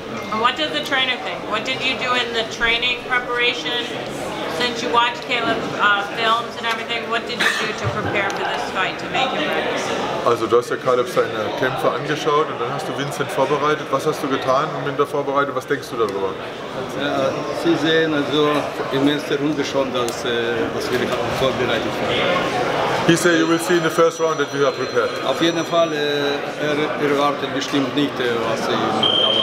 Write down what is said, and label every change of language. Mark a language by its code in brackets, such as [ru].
[en] And what did the trainer think? What did you do in the training preparation? since you watch Caleb's films and everything, what did you do to prepare for this fight to make him ready? [de] Also du hast ja Caleb seine Kämpfe angeschaut und dann hast du Vincent vorbereitet. Was hast du getan und in der Vorbereitung, was denkst du darüber? Sie sehen also im ersten Runde schon, dass was wir vorbereitet haben. [en] He said you will see in the first round that you are prepared. [de] Auf jeden Fall, er erwartet bestimmt nicht, was sie erwartet.